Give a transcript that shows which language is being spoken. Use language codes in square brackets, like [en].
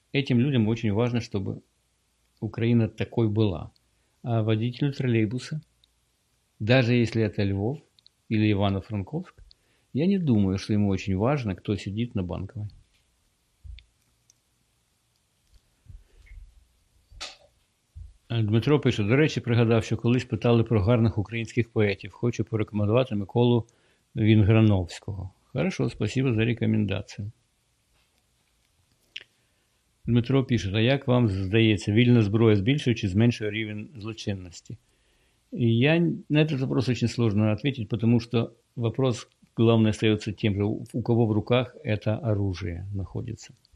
[ru] Этим людям очень важно, чтобы Украина такой была. А водителю троллейбуса, даже если это Львов или Ивано-Франковск, я не думаю, что ему очень важно, кто сидит на Банковой. [uk] Дмитро пише, до речі, пригадав, що колись питали про гарних українських поетів. Хочу порекомендувати Миколу Вінграновського. [ru] Хорошо, спасибо за рекомендацію. [uk] Дмитро пише, а як вам здається, вільна зброя збільшує чи зменшує рівень злочинності? І я на цей вопрос дуже складно відповісти, тому що вопрос головний стається тим, що у кого в руках це оружие знаходиться.